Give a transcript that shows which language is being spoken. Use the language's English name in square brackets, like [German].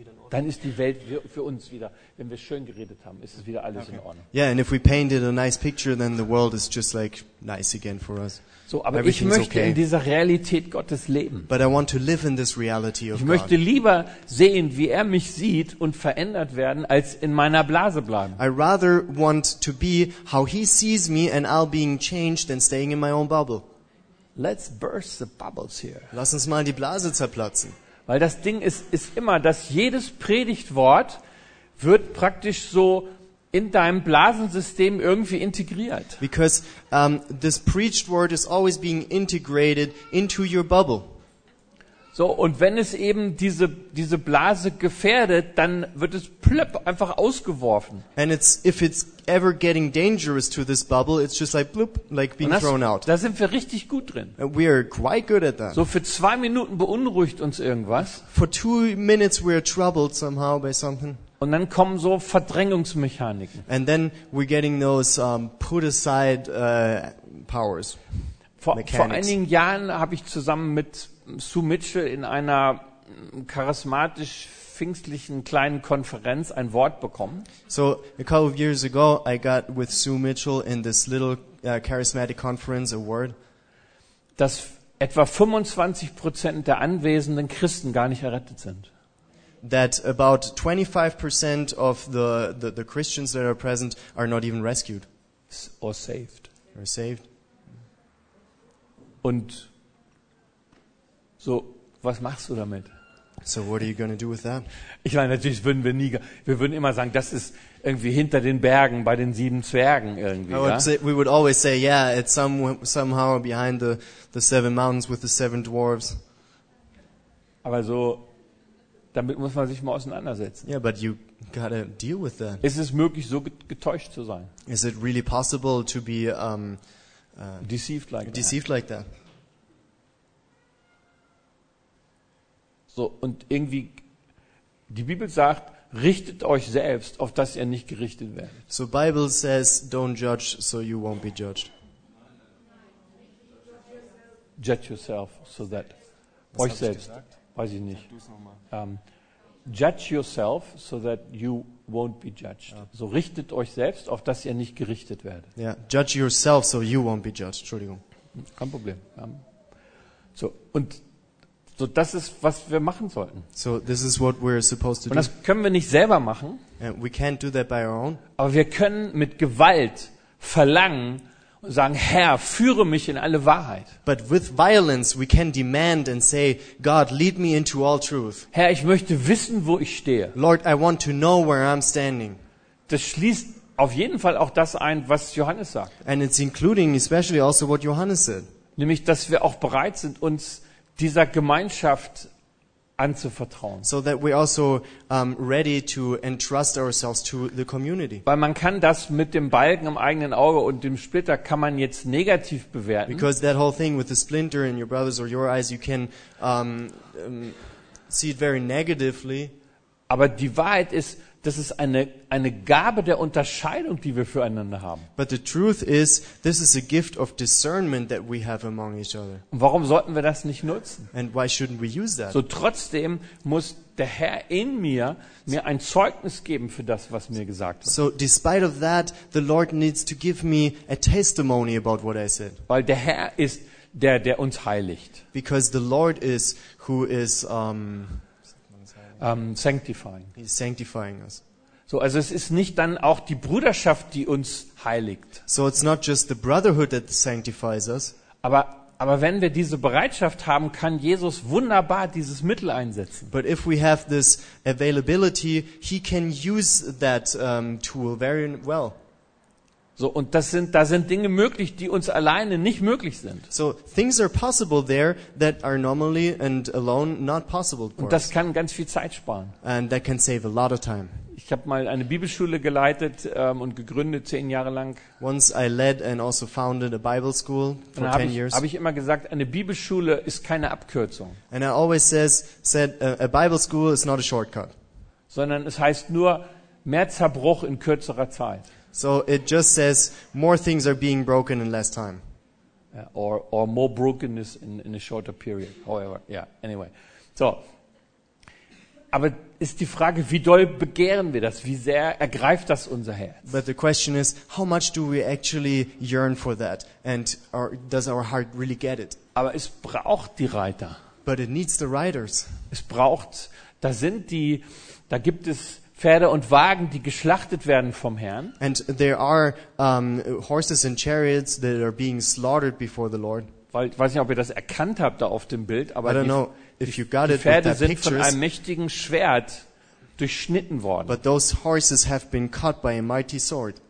[German] Dann ist die Welt für uns wieder, wenn wir schön geredet haben, ist es wieder alles okay. In Ordnung. [English] Yeah, and if we painted a nice picture, then the world is just like nice again for us. [German] So, aber ich möchte okay. In dieser Realität Gottes leben. [English] But I want to live in this reality of God. [German] Ich möchte lieber sehen, wie er mich sieht und verändert werden, als in meiner Blase bleiben. [English] I rather want to be how he sees me and I'll being changed than staying in my own bubble. Let's burst the bubbles here. [German] Lass uns mal die Blase zerplatzen. Weil das Ding ist immer, dass jedes Predigtwort wird praktisch so in deinem Blasensystem irgendwie integriert. [English] Because this preached word is always being integrated into your bubble. [German] So, und wenn es eben diese Blase gefährdet, dann wird es plöpp einfach ausgeworfen. [English] And it's if it's ever getting dangerous to this bubble, it's just like bloop, like being thrown out. [German] Da sind wir richtig gut drin. [English] We are quite good at that. [German] So für 2 Minuten beunruhigt uns irgendwas. [English] For 2 minutes we are troubled somehow by something. [German] Und dann kommen so Verdrängungsmechaniken. [English] And then we're getting those put aside powers. [German] Vor einigen Jahren habe ich zusammen mit Sue Mitchell in einer charismatisch pfingstlichen kleinen Konferenz ein Wort bekommen. [English] So a couple of years ago I got with Sue Mitchell in this little charismatic conference a word. [German] Dass etwa 25% der anwesenden Christen gar nicht errettet sind. [English] That about 25% of the Christians that are present are not even rescued or saved. Are saved. [German] Und so, was machst du damit? [English] So what are you going to do with that? [German] Ich meine, natürlich würden wir würden immer sagen, das ist irgendwie hinter den Bergen bei den 7 Zwergen irgendwie, ja? [English] We would always say, yeah, it's somehow behind the 7 mountains with the 7 dwarves. [German] Aber so, damit muss man sich mal auseinandersetzen. [English] Yeah, but you gotta deal with that. [German] Ist es möglich, so getäuscht zu sein? [English] Is it really possible to be deceived like that? [German] So, und irgendwie, die Bibel sagt, richtet euch selbst, auf dass ihr nicht gerichtet werdet. [English] So Bible says, don't judge, so you won't be judged. Judge yourself, so that. [German] Was euch selbst, gesagt? Weiß ich nicht. [English] Judge yourself, so that you won't be judged. [German] Ja. So richtet euch selbst, auf dass ihr nicht gerichtet werdet. [English] Yeah. Judge yourself, so you won't be judged. [German] Entschuldigung. Kein Problem. So, und so, das ist, was wir machen sollten. [English] So, this is what we're supposed to do. [German] Und das können wir nicht selber machen. [English] And we can't do that by our own. [German] Aber wir können mit Gewalt verlangen und sagen, Herr, führe mich in alle Wahrheit. [English] But with violence we can demand and say, God, lead me into all truth. [German] Herr, ich möchte wissen, wo ich stehe. [English] Lord, I want to know where I'm standing. [German] Das schließt auf jeden Fall auch das ein, was Johannes sagt. [English] And it's including especially also what Johannes said. [German] Nämlich, dass wir auch bereit sind, uns dieser Gemeinschaft anzuvertrauen. [English] So that we also ready to entrust ourselves to the community. [German] Weil man kann das mit dem Balken im eigenen Auge und dem Splitter kann man jetzt negativ bewerten. [English] Because that whole thing with the splinter in your brother's or your eyes, you can see it very negatively. [German] Aber die Wahrheit ist, das ist eine Gabe der Unterscheidung, die wir füreinander haben. [English] But the truth is, this is a gift of discernment that we have among each other. [German] Und warum sollten wir das nicht nutzen? [English] And why shouldn't we use that? [German] So trotzdem muss der Herr in mir ein Zeugnis geben für das, was mir gesagt wird. [English] So despite of that, the Lord needs to give me a testimony about what I said. [German] Weil der Herr ist der uns heiligt. [English] Because the Lord is who is sanctifying. He's sanctifying us. [German] So, also es ist nicht dann auch die Bruderschaft, die uns heiligt. [English] So it's not just the brotherhood that sanctifies us. [German] Aber wenn wir diese Bereitschaft haben, kann Jesus wunderbar dieses Mittel einsetzen. [English] But if we have this availability, he can use that tool very well. [German] So, und da sind Dinge möglich, die uns alleine nicht möglich sind. [English] So things are possible there that are normally and alone not possible for us. [German] Und das kann ganz viel Zeit sparen. [English] And that can save a lot of time. [German] Ich habe mal eine Bibelschule geleitet und gegründet 10 Jahre lang. [English] Once I led and also founded a Bible school for 10 years. [German] Habe ich immer gesagt, eine Bibelschule ist keine Abkürzung. [English] And I always said a Bible school is not a shortcut. [German] Sondern es heißt nur mehr Zerbruch in kürzerer Zeit. [English] So it just says more things are being broken in less time. Yeah, or more brokenness in a shorter period. However, yeah, anyway. So. [German] Aber ist die Frage, wie doll begehren wir das? Wie sehr ergreift das unser Herz? [English] But the question is, how much do we actually yearn for that? And does our heart really get it? [German] Aber es braucht die Reiter. [English] But it needs the riders. [German] Es braucht, da gibt es Pferde und Wagen, die geschlachtet werden vom Herrn. [English] And there are horses and chariots that are being slaughtered before the Lord. [German] Weil, weiß nicht, ob ihr das erkannt habt da auf dem Bild, aber die Pferde sind von einem mächtigen Schwert durchschnitten worden. [English] But those horses have been cut by a mighty sword.